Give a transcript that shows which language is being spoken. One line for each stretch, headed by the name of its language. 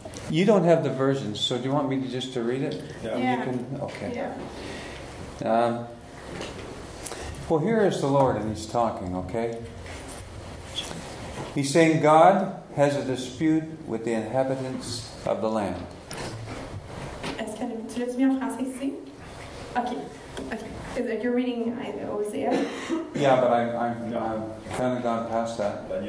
English: You don't have the versions, so do you want me to just to read it? No. Yeah. You can, okay. Yeah. Well, here is the Lord, and he's talking, okay? He's saying, God has a dispute with the inhabitants of the land.
French: Est-ce que tu l'as dit en français ici?
English: Okay. You're reading Hosea. Yeah, but I'm kind of gone past that.